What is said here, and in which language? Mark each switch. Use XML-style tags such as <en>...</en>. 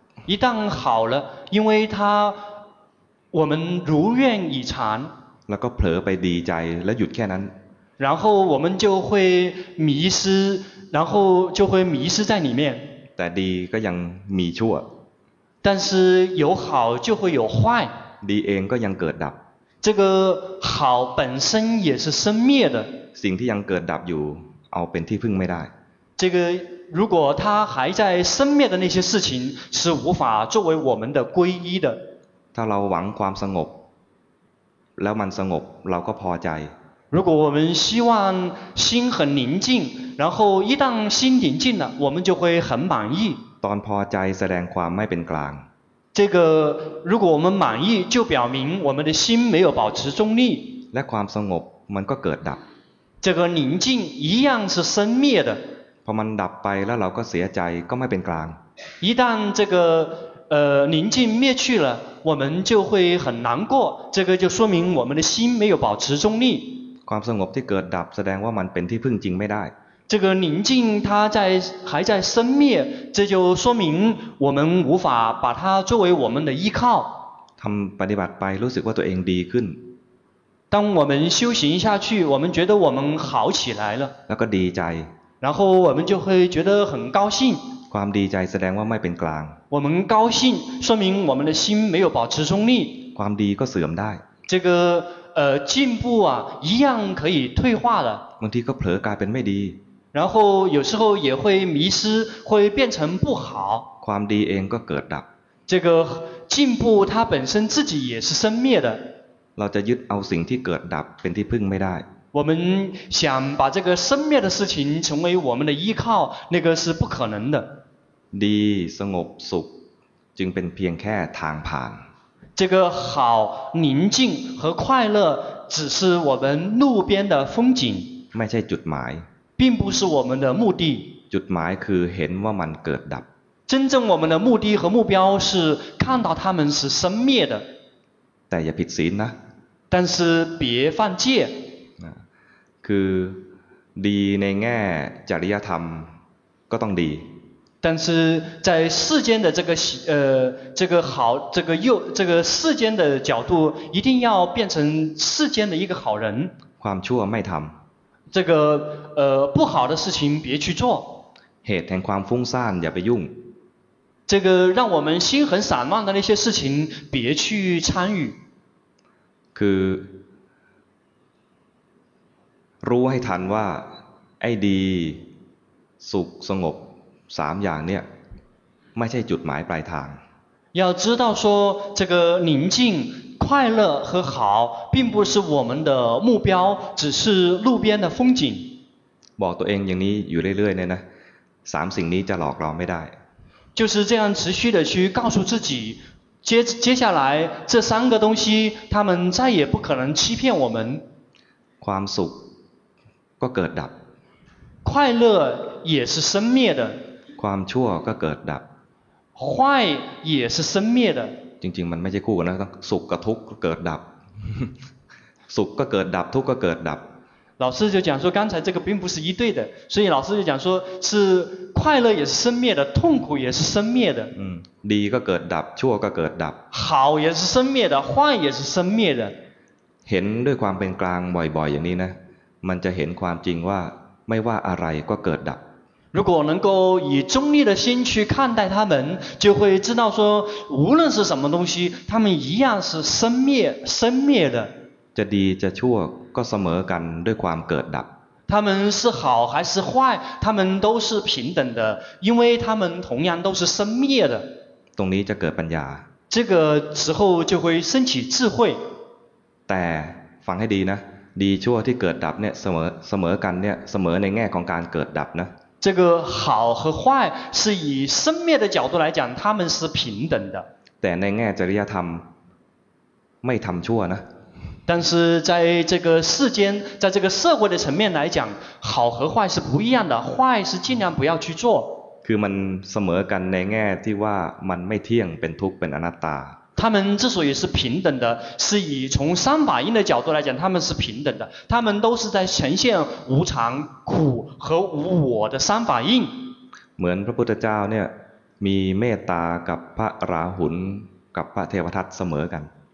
<zh>一旦好了因为它我们如愿以偿</zh> <th>แล้วก็เผลอไปดีใจแล้วหยุดแค่นั้น</th> <zh>然后我们就会迷失然后就会迷失在里面</zh> <th>แต่ดีก็ยังมีชั่ว</th> <zh>但是有好就会有坏</zh> <th>ดีเองก็ยังเกิดดับ</th> <zh>这个好本身也是生灭的</zh> <th>สิ่งที่ยังเกิดดับอยู่เอาเป็นที่พึ่งไม่ได้</th> <zh>这个如果它还在生灭的那些事情是无法作为我们的皈依的</zh> <th>ถ้าเราหวังความสงบแล้วมันสงบเราก็พอใจ</th> <zh>如果我们希望心很宁静然后一旦心宁静了我们就会很满意</zh> <th>ตอนพอใจแสดงความไม่เป็นกลาง</th> <zh>这个如果我们满意就表明我们的心没有保持中立</zh> <th>และความสงบมันก็เกิดดับ</th> <zh>这个宁静一样是生灭的</zh> <th>พอมันดับไปแล้วเราก็เสียใจก็ไม่เป็นกลาง</th> <zh>一旦这个宁静灭去了我们就会很难过这个就说明我们的心没有保持中立</zh> <th>ความสงบที่เกิดดับแสดงว่ามันเป็นที่พึ่งจริงไม่ได้</th> <zh>这个宁静它在还在生灭这就说明我们无法把它作为我们的依靠</zh> <th>ทำปฏิบัติไปรู้สึกว่าตัวเองดีขึ้น</th> <zh>当我们修行下去我们觉得我们好起来了</zh> <th>แล้วก็ดีใจ</th> <zh>然后我们就会觉得很高兴</zh> <th>ความดีใจแสดงว่าไม่เป็นกลาง</th> <zh>我们高兴说明我们的心没有保持中立</zh> <th>ความดีก็เสื่อมได้</th> <zh>这个进步啊一样可以退化的</zh> <th>บางทีก็เผลอกลายเป็นไม่ดี</th> <zh>然后有时候也会迷失会变成不好</zh> <th>ความดีเองก็เกิดดับ</th> <zh>这个进步它本身自己也是生灭的</zh> <th>เราจะยึดเอาสิ่งที่เกิดดับเป็นที่พึ่งไม่ได้</th> <zh>我们想把这个生灭的事情成为我们的依靠那个是不可能的</zh> <th>ดีสงบสุขจึงเป็นเพียงแค่ทางผ่าน</th> <zh>这个好宁静和快乐只是我们路边的风景</zh> <th>ไม่ใช่จุดหมาย</th> <zh>并不是我们的目的</zh> <th>จุดหมายคือเห็นว่ามันเกิดดับ</th> <zh>真正我们的目的和目标是看到他们是生灭的</zh> <th>แต่อย่าผิดศีลนะ</th> <zh>但是别犯戒</zh> <th>คือดีในแง่จริยธรรมก็ต้องดี</th> <zh>但是在世间的这个这个好这个又这个世间的角度一定要变成世间的一个好人</zh> <th>ความชั่วไม่ทำ</th> <zh>这个不好的事情别去做</zh> <th>เหตุแห่งความฟุ้งซ่านอย่าไปยุ่ง</th> <zh>这个让我们心很散乱的那些事情别去参与</zh> <th>คือรู้ให้ทันว่าไอ้ดีสุขสงบสามอย่างเนี่ยไม่ใช่จุดหมายปลายทาง</th> <zh>要知道说这个宁静快乐和好并不是我们的目标只是路边的风景</zh> <th>บอกตัวเองอย่างนี้อยู่เรื่อยๆเนี่ยนะสามสิ่งนี้จะหลอกเราไม่ได้</th> <zh>就是这样持续的去告诉自己接下来这三个东西他们再也不可能欺骗我们</zh> <th>ความสุขก็เกิดดับ</th> <zh>快乐也是生灭的</zh> <th>ความชั่วก็เกิดดับ</th> <zh>坏也是生灭的</zh> <th>จริงๆมันไม่ใช่คู่กันนะสุขกับทุกข์ก็เกิดดับุขก็เกิดดับทุกข์ก็เกิดดับ</th> <zh>老师就讲说刚才这个并不是一对的所以老师就讲说是快乐也是生灭的痛苦也是生灭的</zh> <th>ดีก็เกิดดับชั่วก็เกิดดับ</th> <zh>好也是生灭的坏也是生灭的</zh> <th>เห็นด้วยความเป็นกลางบ่อยๆอย่างนี้นะมันจะเห็นความจริงว่าไม่ว่าอะไรก็เกิดดับ</th> <zh>如果能够以中立的心去看待他们就会知道说无论是什么东西他们一样是生灭生灭的</zh> <th>จะดีจะชั่วก็เสมอกันด้วยความเกิดดับ</th> <zh>他们是好还是坏他们都是平等的因为他们同样都是生灭的</zh> <th>ตรงนี้จะเกิดปัญญา</th> <zh>这个时候就会升起智慧</zh> <th>แต่ฟังให้ดีนะดีชั่วที่เกิดดับเนี่ยเสมอกันเนี่ยเสมอในแง่ของการเกิดดับนะ</th> <zh>这个好和坏是以生灭的角度来讲他们是平等的</zh> <th>แต่ในแง่จริยธรรมไม่ทำชั่วนะ</th> <zh>但是在这个世间在这个社会的层面来讲好和坏是不一样的坏是尽量不要去做</zh> <th>คือมันเสมอกันในแง่ที่ว่ามันไม่เที่ยงเป็นทุกข์เป็นอนัตตา</th> <zh>他们之所以是平等的是以从三法印的角度来讲他们是平等的他们都是在呈现无常苦和无我的三法印</zh> <th>เหมือนพระพุทธเจ้าเนี่ยมีเมตตากับพระราหุลกับพระเทวทัตเสมอกัน</th>